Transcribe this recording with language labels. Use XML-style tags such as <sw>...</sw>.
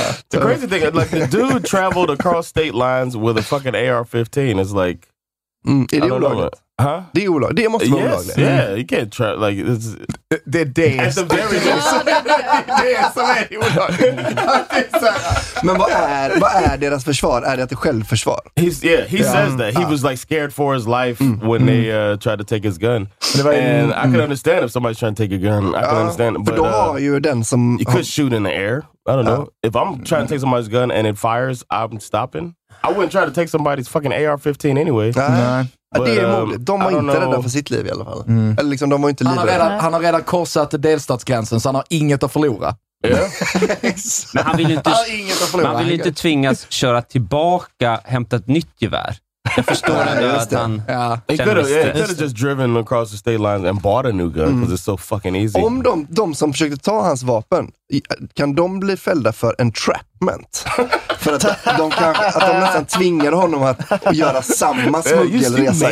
<en>The crazy thing, like the dude traveled across state lines with a fucking AR-15 is like</en> <sv>Är det olagligt? Huh? Det är olagligt. Det måste vara olagligt.</sv> <en>Yeah, you can't try like it's the days. At the very</en> <sv>least. Det är så här. Men vad är deras försvar? Är det att det är självförsvar?</sv> <en>He says that he was like scared for his life when they tried to take his gun. And I can understand if somebody's trying to take a gun. I can understand.</en> <sv>För då har ju den som</sv> <en>you could shoot in the air. I don't know. If I'm trying to take somebody's gun and it fires, I'm stopping. I wouldn't try to take somebody's fucking AR-15 anyway.</en> <sv>But, det är modigt. De var inte rädda för sitt liv i alla fall. Mm. Eller liksom, de var inte livrädda. Han har redan korsat delstatsgränsen, så han har inget att förlora.</sv> <en>Yeah.</en> <sv>Men han vill ju inte, inte tvingas köra tillbaka, hämta ett nytt gevär. Jag förstår ändå att han... Ja.</sv> <en>He could have just driven across the state lines and bought a new gun, because it's so fucking easy.</en> <sv>Om de som försökte ta hans vapen, kan de bli fällda för entrapment? För att de kan att de nästan tvingar honom att göra samma smuggelresa.</sv>